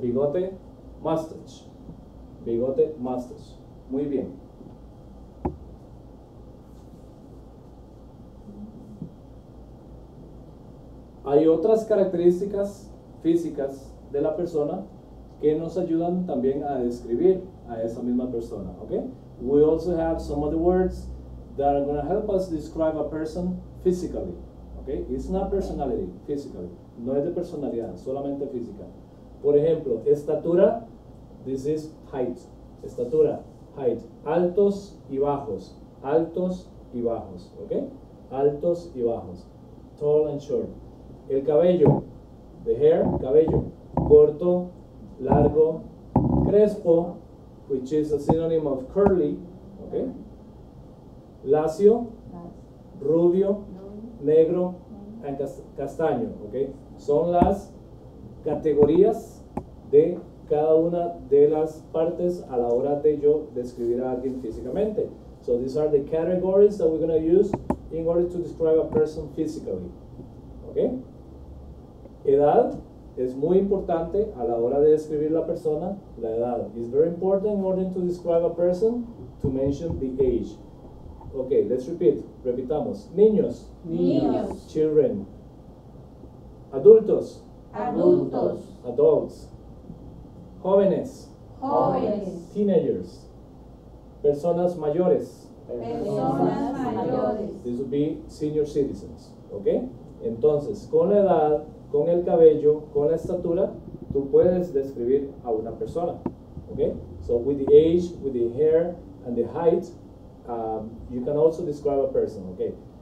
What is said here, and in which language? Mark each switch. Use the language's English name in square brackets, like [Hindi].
[Spanish] Bigote. Mustache. Bigote, mustache. Muy bien. Hay otras características físicas de la persona que nos ayudan también a describir a esa misma persona, okay? [English] We also have some of the words that are going to help us describe a person physically, okay? It's not personality, physically. [Spanish] No es de personalidad, solamente física. Por ejemplo, estatura, [English] this is height. [Spanish] Estatura, height. Altos y bajos. Altos y bajos, okay? Altos y bajos. [English] Tall and short. El cabello, the hair, cabello, corto, largo, crespo, which is a synonym of curly, okay? [Spanish] Lacio, rubio, negro, and castaño, okay? Son las categorías de cada una de las partes a la hora de yo describir a alguien físicamente. [English] So these are the categories that we're going to use in order to describe a person physically, okay? [Spanish] Edad es muy importante a la hora de describir la persona, la edad. [English] It's very important in order to describe a person to mention the age. Okay, let's repeat. [Spanish] Repitamos. Niños. Niños. [English] Children. Adultos. [Spanish] Adultos. [English] Adults. Jóvenes. [Spanish] Jóvenes. Teenagers. Personas mayores. Personas mayores. [English] This would be senior citizens. Okay? [Spanish] Entonces, con la edad, con el cabello, con la estatura, tú puedes describir a una persona, okay? [English] So with the age, with the hair, and the height, you can also describe a person, okay?